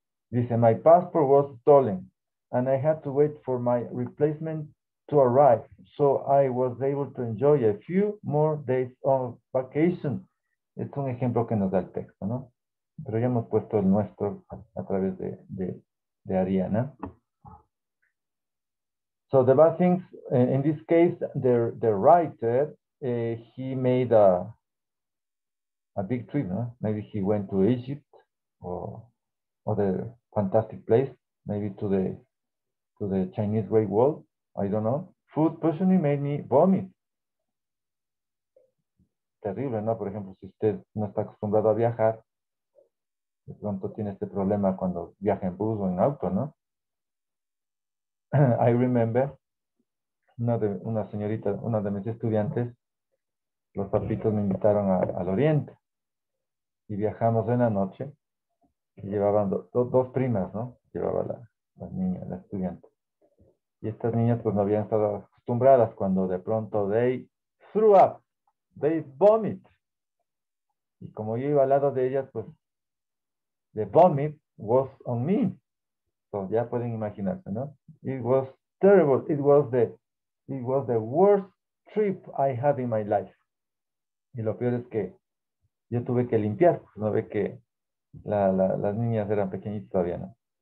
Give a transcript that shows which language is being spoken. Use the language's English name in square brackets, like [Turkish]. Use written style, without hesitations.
[English] Dice, my passport was stolen and I had to wait for my replacement to arrive. So I was able to enjoy a few more days of vacation. [Spanish] Es un ejemplo que nos da el texto, ¿no? Pero ya hemos puesto el nuestro a través de Ariana. [English] So the bad things, in this case, the writer, he made a big trip, no? Maybe he went to Egypt or other fantastic place, maybe to the Chinese Great Wall, I don't know. Food poisoning made me vomit. [Spanish] Terrible, ¿no? Por ejemplo, si usted no está acostumbrado a viajar, de pronto tiene este problema cuando viaja en bus o en auto, ¿no? [English] I remember [Spanish] una de mis estudiantes, los papitos me invitaron al oriente y viajamos en la noche y llevaban dos primas, ¿no? Llevaba la niña, la estudiante. Y estas niñas pues no habían estado acostumbradas cuando de pronto [English] they threw up, they vomit. [Spanish] Y como yo iba al lado de ellas, pues [English] the vomit was on me. [Spanish] Ya pueden imaginarse, ¿no? [English] It was terrible. It was the worst trip I had in my life. [Spanish] Y lo peor es que yo tuve que limpiar. No ve que las niñas eran pequeñitas todavía, ¿no?